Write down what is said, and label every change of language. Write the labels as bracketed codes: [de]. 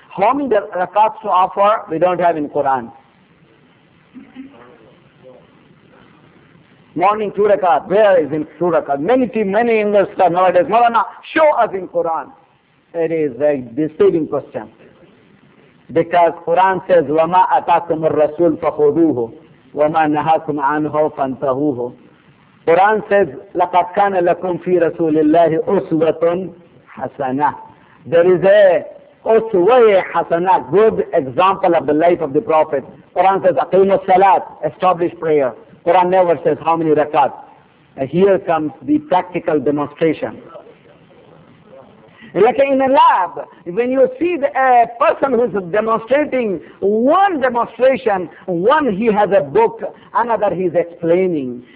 [en] How many rakats to offer, we don't have in Quran. Morning two rakat, where is in two rakat? Many investors nowadays, Marana, show us in Quran. It is a disturbing question. Because Quran says, [ar] وَمَا أَتَاكُمُ الرَّسُولُ فَخُذُوهُ وَمَا نَهَاكُمْ عَنْهُ فَانْتَهُوهُ. [en] Quran says, [ar] لَقَدْ كَانَ لَكُمْ فِي رَسُولِ اللَّهِ أُسْوَةٌ حَسَنَةٌ. [en] There is a [ar] أُسْوَةِ حَسَنَةٌ, [en] good example of the life of the Prophet. Quran says, [ar] أَقِيمُ السَّلَاةِ, [en] establish prayer. Quran never says how many rakat. Here comes the practical demonstration. Like in a lab, when you see a person who is demonstrating one demonstration, one he has a book, another he is explaining.